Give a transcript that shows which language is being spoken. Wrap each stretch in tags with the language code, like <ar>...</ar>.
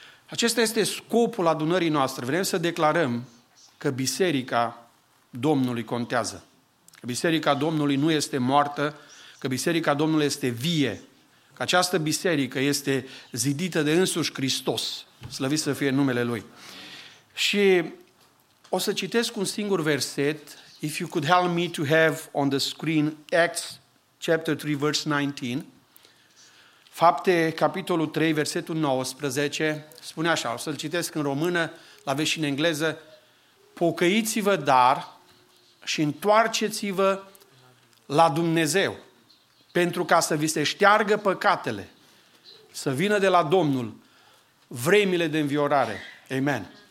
<ro>Acesta este scopul adunării noastre. Vrem să declarăm că biserica Domnului contează. Că biserica Domnului nu este moartă, că biserica Domnului este vie. Că această biserică este zidită de însuși Hristos. Slăvit să fie numele Lui. Și o să citesc un singur verset.</ro> <en>If you could help me to have on the screen Acts chapter 3 verse 19.</en> <ro>Fapte, capitolul 3, versetul 19, spune așa, o să-l citesc în română, l-aveți și în engleză, pocăiți-vă dar și întoarceți-vă la Dumnezeu, pentru ca să vi se șteargă păcatele, să vină de la Domnul vremile de înviorare. Amen.</ro>